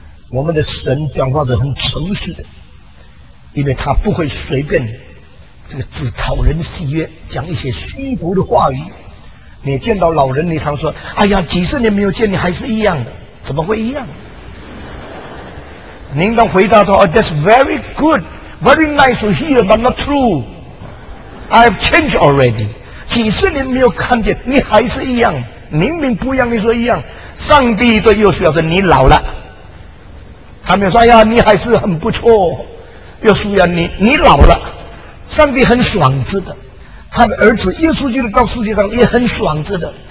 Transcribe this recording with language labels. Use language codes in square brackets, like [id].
[zh] 我们的神讲话是很诚实的，因为他不会随便这个只讨人喜悦讲一些虚浮的话语。你见到老人你常说，哎呀几十年没有见你还是一样的，怎么会一样？您当回答说、 [en] oh, That's very good, very nice to hear, but not true. I've changed already. [zh] 几十年没有看见你还是一样，明明不一样你说一样。上帝对约书亚说你老了，他没有说哎呀你还是很不错，约书亚你老了。上帝很爽直的，他的儿子耶稣基督到世界上也很爽直的。